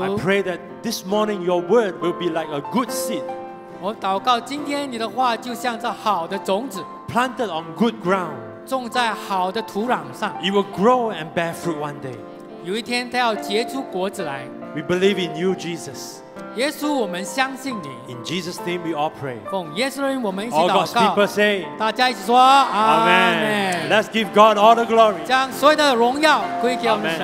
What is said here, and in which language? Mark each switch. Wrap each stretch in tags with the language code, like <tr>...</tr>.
<en>I pray that this morning your word will be like a good seed</en> <zh>我祷告今天你的话就像这好的种子</zh> <en>Planted on good ground</en> <zh>种在好的土壤上</zh> <en>It will grow and bear fruit one day</en> <zh>有一天它要结出果子来</zh> <en>We believe in you, Jesus</en> <zh>耶稣我们相信你</zh> <en>In Jesus' name we all pray</en> <zh>奉耶稣的名我们一起祷告</zh> <en>All God's people say</en> <zh>大家一起说 Amen</zh> <en>Let's give God all the glory</en> <zh>将所有的荣耀归给我们神</zh>